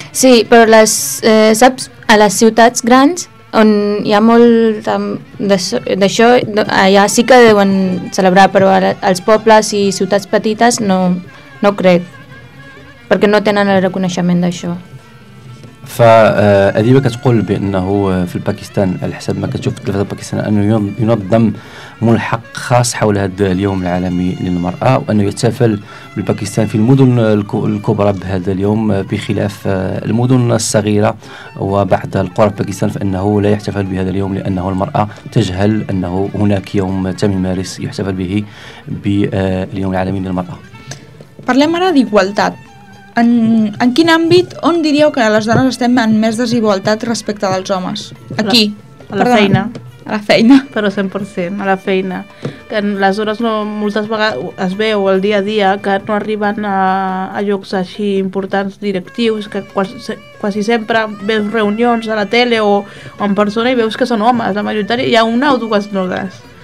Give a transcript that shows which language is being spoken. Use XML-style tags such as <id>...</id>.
<ca>Sí, però saps, a les ciutats grans on hi ha molt d'això, allà sí que deuen celebrar, però als pobles i ciutats petites no crec, perquè no tenen el reconeixement d'això.</ca> <ar>فأديبة تقول بأنه في الباكستان على حسب ما كتشوف في التلفزة الباكستانية أنه ينظم ملحق خاص حول هذا اليوم العالمي للمرأة وأنه يحتفل بالباكستان في المدن الكبرى بهذا اليوم بخلاف المدن الصغيرة وبعض القرى في باكستان فأنه لا يحتفل بهذا اليوم لأنه المرأة تجهل أنه هناك يوم تم يمارس يحتفل به باليوم العالمي للمرأة.</ar> <ca>Parlem ara d'igualtat. En quin àmbit, on diríeu que les dones estem en més desigualtat respecte dels homes? Aquí. A la feina. Però 100%, a la feina. Que les dones no, moltes vegades es veu el dia a dia que no arriben a llocs així importants directius, que quasi sempre veus reunions a la tele o en persona i veus que són homes, la majoritària, hi ha una o dues dones.</ca>